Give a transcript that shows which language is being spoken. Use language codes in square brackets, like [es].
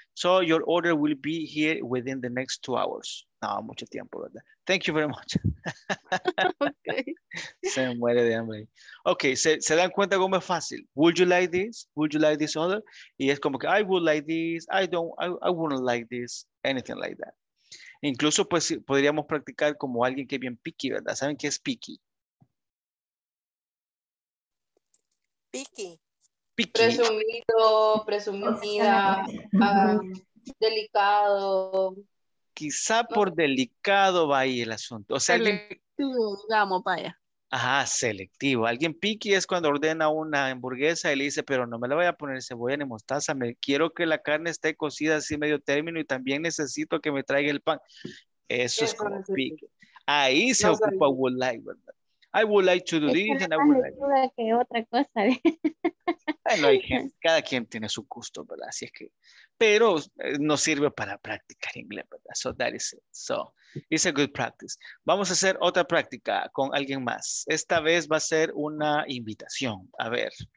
[en] So your order will be here within the next 2 hours. [es] No, mucho tiempo, ¿verdad? [en] Thank you very much. Okay. [es] Se muere de hambre. Okay, ¿se dan cuenta cómo es fácil? [en] Would you like this? Would you like this other? [es] Y es como que, [en] I would like this, I wouldn't like this, anything like that. [es] Incluso, pues, podríamos practicar como alguien que es bien picky, ¿verdad? ¿Saben qué es picky? Picky. Picky. Presumido, presumida, delicado. Quizá por delicado va ahí el asunto. O sea, selectivo, digamos, vaya. Ajá, selectivo. Alguien picky es cuando ordena una hamburguesa y le dice, pero no me la voy a poner cebolla ni mostaza. Me quiero que la carne esté cocida así medio término y también necesito que me traiga el pan. Eso es como picky. Ahí se ocupa would like, ¿verdad? [en] I would like to do this and I would like. [es] Que otra cosa. Bueno, hay gente, cada quien tiene su gusto, ¿verdad? Así es que. Pero nos sirve para practicar inglés, ¿verdad? [en] So that is it. So it's a good practice. [es] Vamos a hacer otra práctica con alguien más. Esta vez va a ser una invitación. A ver.